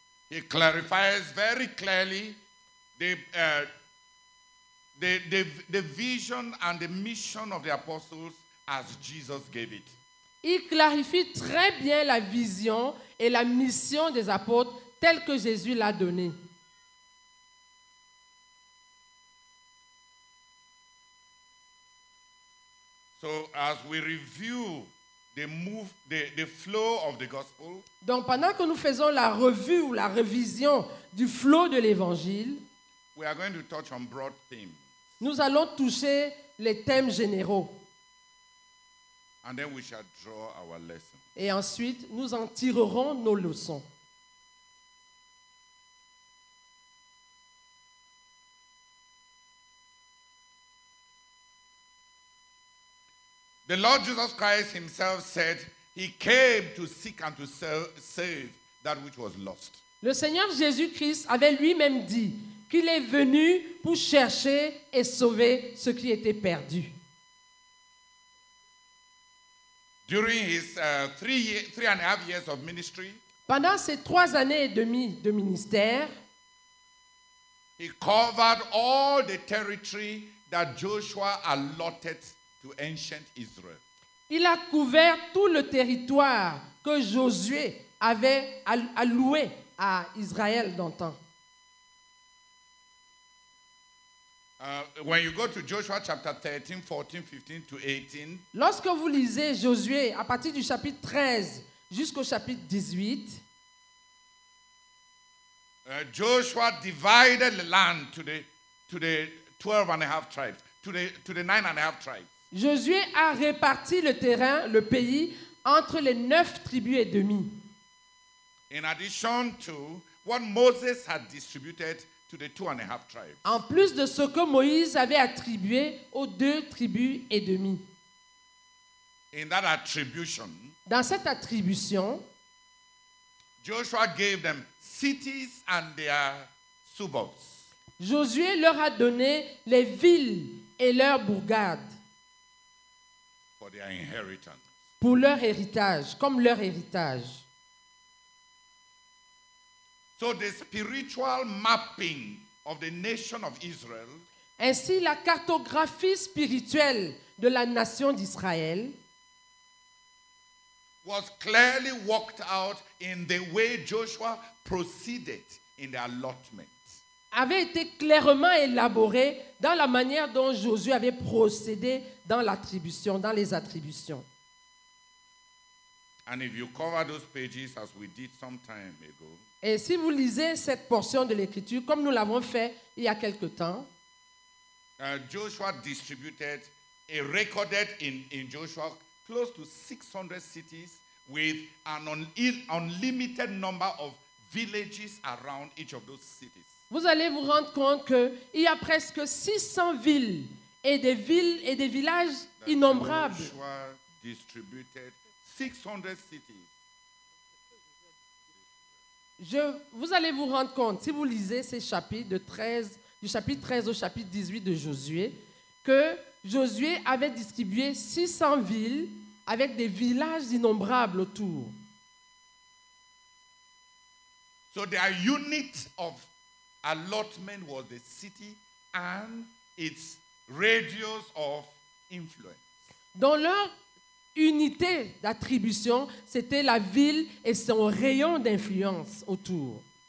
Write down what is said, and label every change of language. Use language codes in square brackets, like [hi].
[en] He clarifies very clearly the vision and the mission of the apostles as Jesus gave it. [fr] Il clarifie très bien la vision et la mission des apôtres telle que Jésus l'a donnée. [en] So as we review the flow of the gospel. [fr] Donc pendant que nous faisons la revue ou la révision du flow de l'évangile, [en] we are going to touch on broad themes. [fr] Nous allons toucher les thèmes généraux. [en] And then we shall draw our lesson. [fr] Et ensuite, nous en tirerons nos leçons. [en] The Lord Jesus Christ himself said he came to seek and to save that which was lost. [fr] Le Seigneur Jésus-Christ avait lui-même dit qu'il est venu pour chercher et sauver ce qui était perdu. [en] During his three and a half years of ministry, [fr] pendant ses 3 années et demie de ministère, [en] he covered all the territory that Joshua allotted to ancient Israel. [fr] Il a couvert tout le territoire que Josué avait alloué à Israël d'antan. [en] When you go to Joshua chapter 13, 14, 15 to 18. [fr] Lorsque vous lisez Josué à partir du chapitre 13 jusqu'au chapitre 18. [en] Joshua divided the land to the 12 and a half tribes, to the 9 and a half tribes. [fr] Josué a réparti le terrain, le pays, entre les 9 tribus et demi. [en] In addition to what Moses had distributed to the 2.5 tribes. [fr] En plus de ce que Moïse avait attribué aux 2 tribus et demi. [en] In that attribution, [fr] dans cette attribution, [en] Joshua gave them cities and their suburbs. [fr] Josué leur a donné les villes et leurs bourgades. [en] Their inheritance. [fr] Pour leur héritage, comme leur héritage. [en] So the spiritual mapping of the nation of Israel. [fr] Ainsi, la cartographie spirituelle de la nation d'Israël. [en] Was clearly worked out in the way Joshua proceeded in the allotment. [fr] avait été clairement élaboré dans la manière dont Josué avait procédé dans l'attribution, dans les attributions. [en] And if you cover those pages as we did some time ago, [fr] et si vous lisez cette portion de l'écriture comme nous l'avons fait il y a quelque temps, [en] Joshua distributed and recorded in Joshua close to 600 cities with an unlimited number of villages around each of those cities. [fr] Vous allez vous rendre compte qu'il y a presque 600 villes et des villages innombrables. [en] Joshua distributed 600 cities. [fr] Vous allez vous rendre compte, si vous lisez ces chapitres de 13, du chapitre 13 au chapitre 18 de Josué, que Josué avait distribué 600 villes avec des villages innombrables autour. [en] So their unit of allotment was the city and its radius of influence. [fr] Dans leur unité d'attribution, c'était la ville et son rayon d'influence autour.